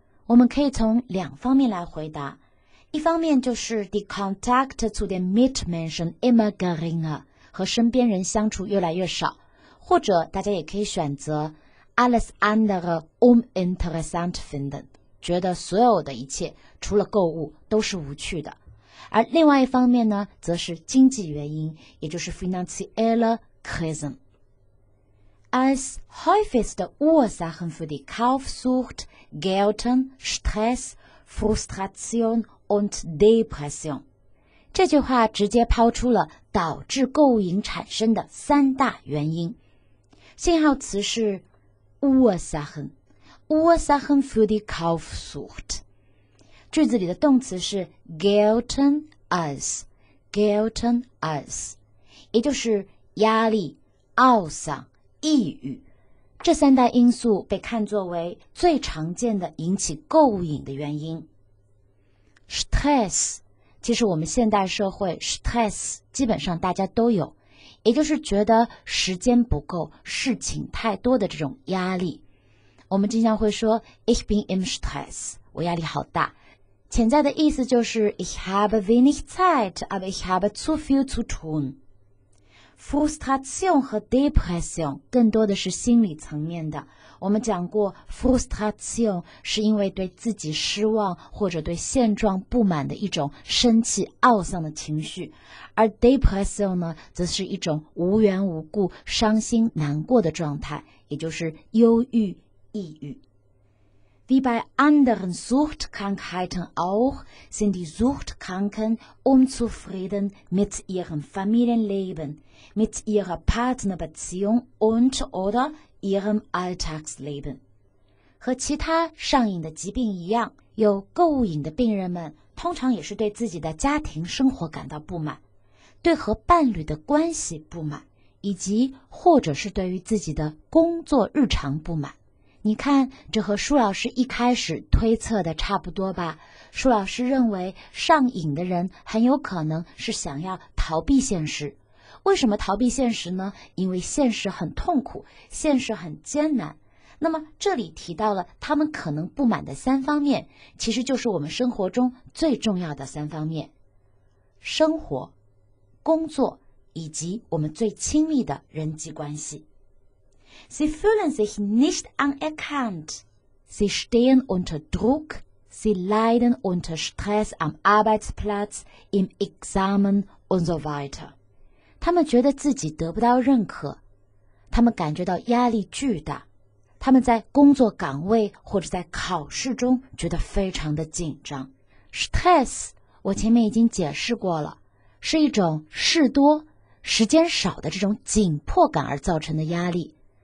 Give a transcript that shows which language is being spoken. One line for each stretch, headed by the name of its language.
Chinese: 我们可以从两方面来回答，一方面就是
English: the contact to the
German: Mitmenschen immer geringer，
Chinese: 和身边人相处越来越少，或者大家也可以选择
German: alles andere uninteressant finden，
Chinese: 觉得所有的一切除了购物都是无趣的。而另外一方面呢，则是经济原因，也就是
German: finanzielle Krisen。 Als häufigste Ursachen für die Kaufsucht gelten Stress, Frustration und Depression.
Chinese: 这句话直接抛出了导致购物瘾产生的三大原因。信号词是 Ursachen,
German: Ursachen für die Kaufsucht.
Chinese: 句子里的动词是 gelten als,
German: gelten als,
Chinese: 也就是压力、懊丧、抑郁，这三大因素被看作为最常见的引起购物瘾的原因。
German: Stress，
Chinese: 其实我们现代社会 stress 基本上大家都有，也就是觉得时间不够，事情太多的这种压力。我们经常会说
German: Ich bin im Stress，
Chinese: 我压力好大。潜在的意思就是
German: Ich habe wenig Zeit， aber ich habe zu viel zu tun。
Chinese: Frustration 和 Depression 更多的是心理层面的。我们讲过 Frustration 是因为对自己失望或者对现状不满的一种生气懊丧的情绪，而 Depression 呢，则是一种无缘无故伤心难过的状态，也就是忧郁抑郁。
German: Wie bei anderen Suchtkrankheiten auch sind die Suchtkranken unzufrieden mit ihrem Familienlebenmit ihrer Partnerbeziehung und oder ihrem Alltagsleben.
Chinese: 和其他上瘾的疾病一样，有购物瘾的病人们通常也是对自己的家庭生活感到不满，对和伴侣的关系不满，以及或者是对于自己的工作日常不满。你看，这和舒老师一开始推测的差不多吧。舒老师认为上瘾的人很有可能是想要逃避现实。为什么逃避现实呢？因为现实很痛苦，现实很艰难。那么这里提到了他们可能不满的三方面，其实就是我们生活中最重要的三方面：生活、工作以及我们最亲密的人际关系。
German: Sie fühlen sich nicht anerkannt. Sie stehen unter Druck, sie leiden unter Stress am Arbeitsplatz, im Examen und so weiter.
Chinese: 他们觉得自己得不到认可，他们感觉到压力巨大，他们在工作岗位或者在考试中觉得非常的紧张。 Stress, 我前面已经解释过了，是一种事多、时间少的这种紧迫感而造成的压力。